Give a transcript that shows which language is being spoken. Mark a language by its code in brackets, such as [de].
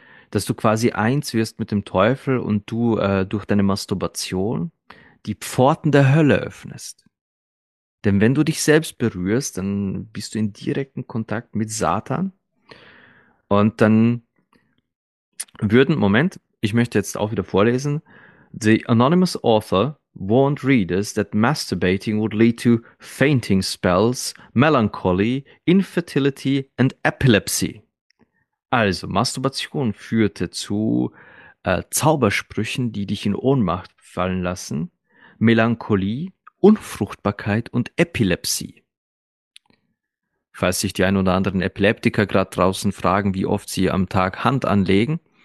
[de] Dass du quasi eins wirst mit dem Teufel und du durch deine Masturbation die Pforten der Hölle öffnest. Denn wenn du dich selbst berührst, dann bist du in direktem Kontakt mit Satan. Und dann würden, Moment, ich möchte jetzt auch wieder vorlesen. [en] The anonymous author warned readers that masturbating would lead to fainting spells, melancholy, infertility and epilepsy. [de] Also, Masturbation führte zu Zaubersprüchen, die dich in Ohnmacht fallen lassen, Melancholie, Unfruchtbarkeit und Epilepsie. Falls sich die ein oder anderen Epileptiker gerade draußen fragen, wie oft sie am Tag Hand anlegen.